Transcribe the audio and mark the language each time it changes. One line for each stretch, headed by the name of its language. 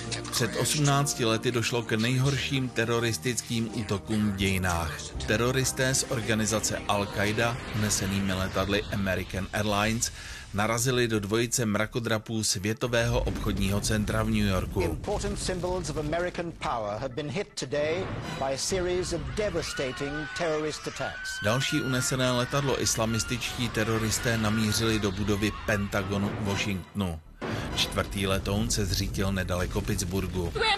Czech: Před 18 lety došlo k nejhorším teroristickým útokům v dějinách. Teroristé z organizace Al-Qaida, nesenými letadly American Airlines, narazili do dvojice mrakodrapů Světového obchodního centra v New Yorku.
English: Important symbols of American power have been hit today by a series of devastating terrorist attacks.
Czech: Další unesené letadlo islamističtí teroristé namířili do budovy Pentagonu v Washingtonu. Čtvrtý letoun se zřítil nedaleko Pittsburghu.